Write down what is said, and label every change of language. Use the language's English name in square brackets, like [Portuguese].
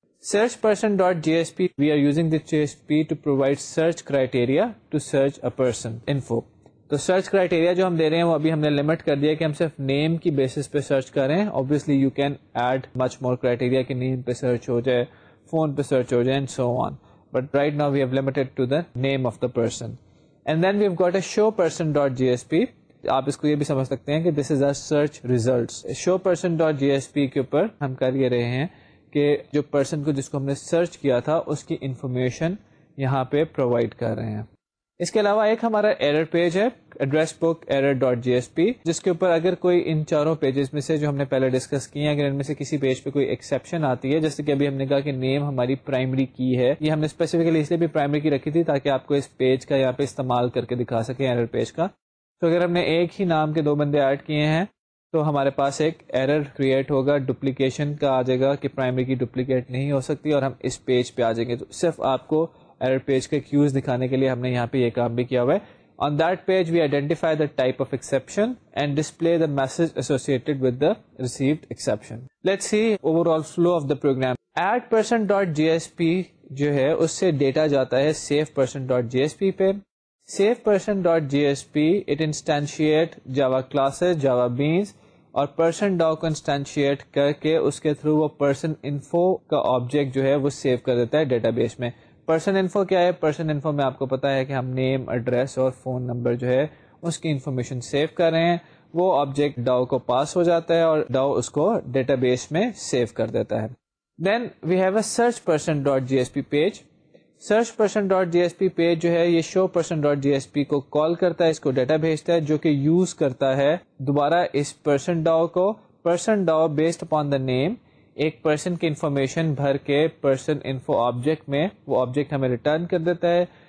[English] Search person dot J S P we are using this J S P to provide search criteria to search a person info. [Urdu] تو search criteria جو ہم دے رہے ہیں وہ ابھی ہم نے لمٹ کر دیا کہ ہم صرف نیم کی بیسس پہ سرچ کریں. [English] obviously you can add much more criteria [Urdu] کہ نیم پہ سرچ ہو جائے, [English] Phone پہ search ہو جائے, and so on. But right now we have limited to the name of the person. And then we have got a show person dot J S P. [Urdu] آپ اس کو یہ بھی سمجھ سکتے ہیں کہ [English] This is our search result. [Urdu] Show person dot جی S P کے اوپر ہم کر یہ رہے ہیں کہ جو پرسن کو جس کو ہم نے سرچ کیا تھا اس کی انفارمیشن یہاں پہ پرووائڈ کر رہے ہیں. اس کے علاوہ ایک ہمارا ایرر پیج ہے ایڈریس بک ایرر ڈاٹ جی ایس پی, جس کے اوپر اگر کوئی ان چاروں پیجز میں سے جو ہم نے پہلے ڈسکس کیے ہیں اگر ان میں سے کسی پیج پہ کوئی ایکسیپشن آتی ہے, جیسے کہ ابھی ہم نے کہا کہ نیم ہماری پرائمری کی ہے, یہ ہم نے اسپیسیفکلی اس لیے بھی پرائمری کی رکھی تھی تاکہ آپ کو اس پیج کا یہاں پہ استعمال کر کے دکھا سکیں ایرر پیج کا. تو اگر ہم نے ایک ہی نام کے دو بندے ایڈ کیے ہیں تو ہمارے پاس ایک ایرر کریٹ ہوگا, ڈپلیکیشن کا آ جائے گا کہ پرائمری کی ڈپلیکیٹ نہیں ہو سکتی اور ہم اس پیج پہ آ جائیں گے. تو صرف آپ کو ایرر پیج کے کیوز دکھانے کے لیے ہم نے یہاں پہ یہ کام بھی کیا ہوا ہے. [English] On that page we identify the type of exception and display the message associated with the received exception. Let's see over all flow of the program. [Urdu] Add person dot جی S P جو ہے اس سے data جاتا ہے safe person dot جی S P پہ. Safe person dot جی S P [English] it instantiate Java classes, [Urdu] جاوا بینس اور person dot کو instantiate کر کے اس کے تھرو وہ پرسن انفو کا آبجیکٹ جو ہے وہ سیو کر دیتا ہے ڈیٹا بیس میں. پرسن انفو کیا ہے؟ پرسن انفو میں آپ کو پتا ہے کہ ہم نیم, ایڈریس اور فون نمبر جو ہے اس کی انفارمیشن سیو کر رہے ہیں. وہ آبجیکٹ ڈاو کو پاس ہو جاتا ہے اور ڈاو اس کو ڈیٹا بیس میں سیو کر دیتا ہے. [English] Then we have a search person dot J S P page. [Urdu] Search person dot جی S P page جو ہے یہ شو پرسن ڈاٹ جی ایس پی کو کال کرتا ہے, اس کو ڈیٹا بھیجتا ہے جو کہ یوز کرتا ہے دوبارہ اس پرسن ڈاو کو. پرسن ڈاو بیسڈ اپان دا نیم ایک پرسن کی انفارمیشن بھر کے پرسن انفو آبجیکٹ میں وہ آبجیکٹ ہمیں ریٹرن کر دیتا ہے.